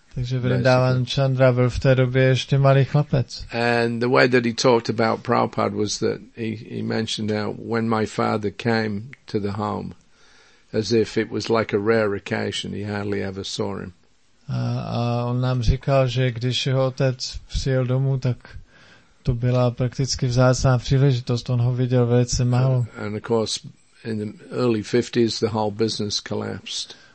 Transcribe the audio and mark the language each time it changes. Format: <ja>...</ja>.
<cs>Takže Brindavan Chandra byl v té době ještě malý chlapec.</cs> <en>And the way that he talked about Prabhupada was that he mentioned how when my father came to the home, as if it was like a rare occasion, he hardly ever saw him.</en> <cs>A on nám říkal, že když jeho otec přijel domů, tak to byla prakticky vzácná příležitost. On ho viděl velice málo.</cs> <en>And of course, in the early 50s, the whole business collapsed.</en>